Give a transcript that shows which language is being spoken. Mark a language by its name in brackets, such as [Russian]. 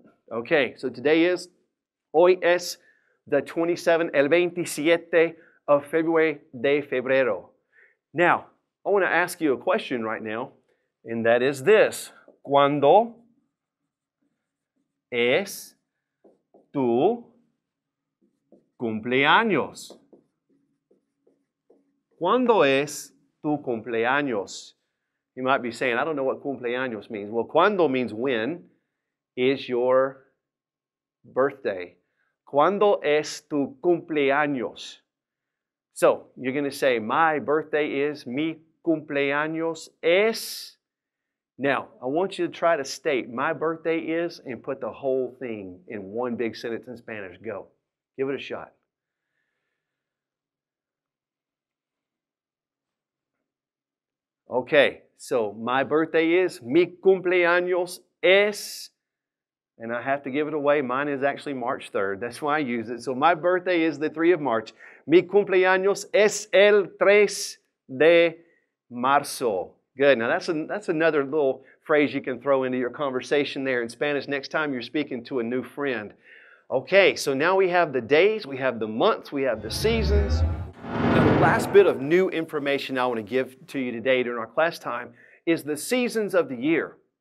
[English] Okay, so today is [Spanish] hoy es [English] the 27, [Spanish] el 27 [English] of February, [Spanish] de febrero. [English] Now, I want to ask you a question right now, and that is this. [Spanish] ¿Cuándo es tu cumpleaños? ¿Cuándo es tu cumpleaños? [English] You might be saying, I don't know what cumpleaños means. Well, ¿cuándo means when? Is your birthday. [Spanish] ¿Cuándo es tu cumpleaños? [English] So, you're going to say, my birthday is, [Spanish] mi cumpleaños es. [English] Now, I want you to try to state, my birthday is, and put the whole thing in one big sentence in Spanish. Go. Give it a shot. Okay, so my birthday is, [Spanish] mi cumpleaños es, [English] and I have to give it away. Mine is actually March 3rd. That's why I use it. So my birthday is the 3rd of March. [Spanish] Mi cumpleaños es el 3 de marzo. [English] Good. Now, that's another little phrase you can throw into your conversation there in Spanish next time you're speaking to a new friend. Okay, so now we have the days, we have the months, we have the seasons. The last bit of new information I want to give to you today during our class time is the seasons of the year.